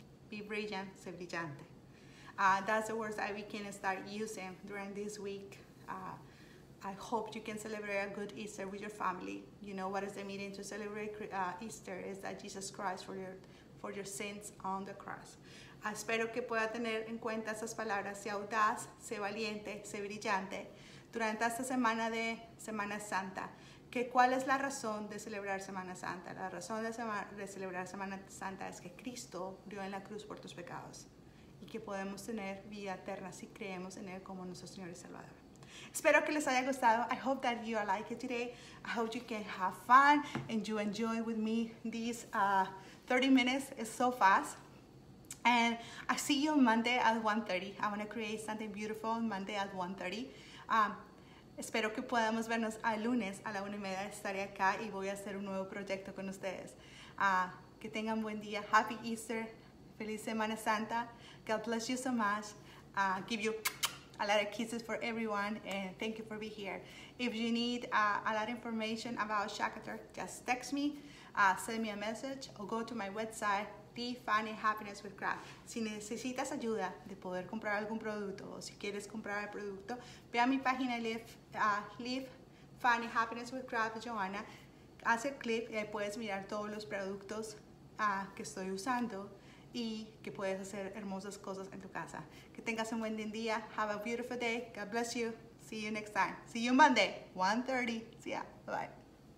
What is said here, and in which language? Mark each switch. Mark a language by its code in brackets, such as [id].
[en] Be brilliant, [es] sé brillante. [en] That's the words that we can start using during this week. I hope you can celebrate a good Easter with your family. You know what is the meaning to celebrate Easter? Is that Jesus Christ for your sins on the cross. [es] Espero que pueda tener en cuenta esas palabras, sea audaz, sea valiente, sea brillante, durante esta semana de Semana Santa. Que cuál es la razón de celebrar Semana Santa? La razón de celebrar Semana Santa es que Cristo murió en la cruz por tus pecados y que podemos tener vida eterna si creemos en Él como nuestro Señor y Salvador. Espero que les haya gustado. [en] I hope that you like it today. I hope you can have fun and you enjoy with me these 30 minutes. It's so fast. And I see you Monday at 1:30. I want to create something beautiful Monday at 1:30. [es] Espero que podamos vernos el lunes a la 1:30. Estaré acá y voy a hacer un nuevo proyecto con ustedes. Que tengan buen día. [en] Happy Easter. [es] Feliz Semana Santa. [en] God bless you so much. Give you a lot of kisses for everyone, and thank you for being here. If you need a lot of information about couture, just text me, send me a message, or go to my website, Defining Happiness with Craft. [es] Si necesitas ayuda de poder comprar algún producto, o si quieres comprar el producto, ve a mi página Defining Happiness with Craft, Joanna. Haz el clip y ahí puedes mirar todos los productos que estoy usando. Y que puedes hacer hermosas cosas en tu casa. Que tengas un buen día. [en] Have a beautiful day. God bless you. See you next time. See you Monday, 1:30. See ya. Bye-bye.